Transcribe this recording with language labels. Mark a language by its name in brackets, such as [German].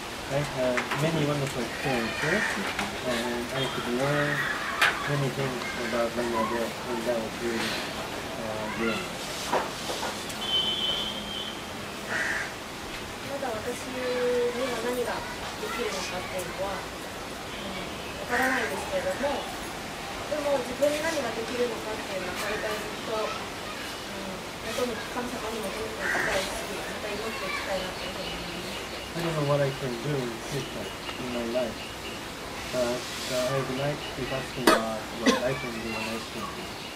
[English] I had many wonderful experiences, and I could learn many things about Bangladesh, and that was really good. [Japanese] まだ私には何ができるのかっていうのは、わからないですけれども、でも自分に何ができるのかっていうのは、大体ずっと、本当に神様に求めていきたいし、また祈っていきたいなと思います。 [English] I don't know what I can do in the future, in my life, but I would like to be asking God what I can do and I can do.